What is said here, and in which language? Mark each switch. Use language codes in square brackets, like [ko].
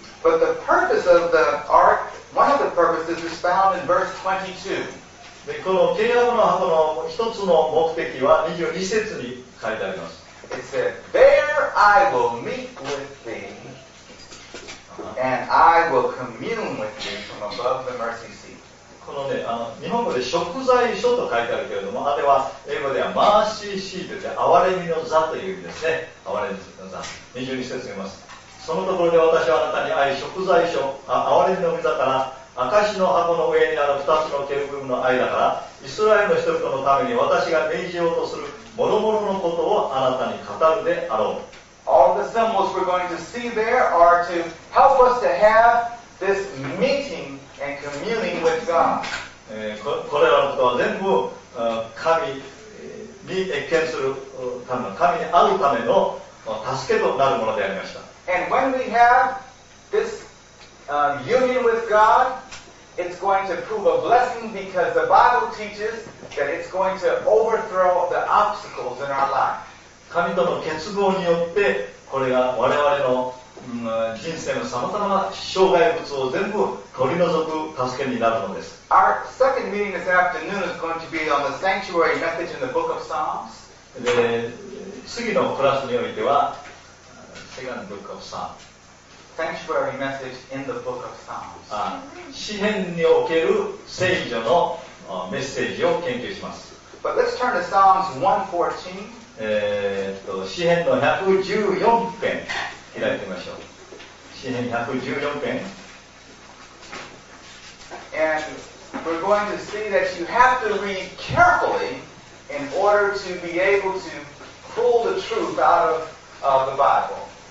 [en] But the purpose of the ark, one of the purposes is found in verse 22. [ja] で、この契約の箱の一つの目的は22節に書いてあります。 [en] It said, There I will meet with thee, and I will commune with thee from above the mercy seat. [ja] このね、日本語で食材書と書いてあるけれども、あれは英語ではマーシーシートって憐れみの座という意味ですね。憐れみの座。22節言います。そのところで私はあなたに会い、食材書、憐れみの御座から証の箱の上にある2つのケルビムの間から、イスラエルの人々のために私が命じようとする諸々のことをあなたに語るであろう。 [en] All the symbols we're going to see there are to help us to have this meeting and communing with God. [ja] これらのことは全部神に謁見するための、神に会うための助けとなるものでありました。 [en] And when we have this union with God, it's going to prove a blessing because the Bible teaches that it's going to overthrow the obstacles in our life. [ja] 神との結合によって、これが我々の、人生のさまざまな障害物を全部取り除く助けになるのです。 [en] Our second meeting this afternoon is going to be on the sanctuary message in the book of Psalms. [ja] で、次のクラスにおいては、 [en] Second Book of Psalms。 Sanctuary Message in the Book of Psalms。 [ja] 詩編における聖書のメッセージを研究します。 [en] But let's turn to Psalms 114. [ja] 詩編の114編、開いてみましょう。詩編114編。 [en] And we're going to see that you have to read carefully in order to be able to pull the truth out of the Bible.